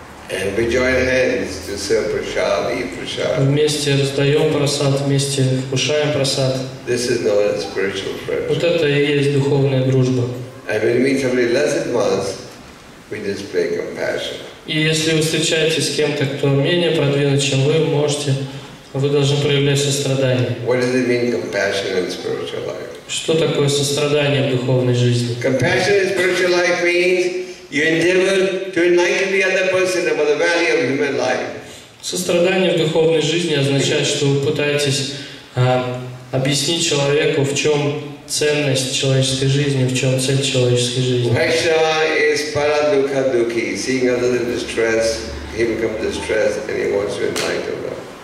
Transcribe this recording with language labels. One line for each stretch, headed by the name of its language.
English: And we join hands to serve prasad, eat prasad.
Russian: Вместе раздаем прасад, вместе вкушаем прасад.
English: This is known as spiritual friendship.
Russian: Вот это и есть духовная дружба.
English: And when we meet somebody less advanced, we display compassion.
Russian: И если вы встречаетесь с кем-то, кто менее продвинут, чем вы, можете, вы должны проявлять сострадание.
English: What does it mean, compassion in spiritual life?
Russian: Что такое сострадание в духовной жизни?
English: Compassion in spiritual life means you endeavor to enlighten the other person about the value of human life.
Russian: Сострадание в духовной жизни означает, что вы пытаетесь объяснить человеку, в чем ценность человеческой жизни, в чем цель человеческой жизни.
English: Vaishya is para dukha dukhi, seeing others in distress, he becomes distressed and he wants to enlighten them.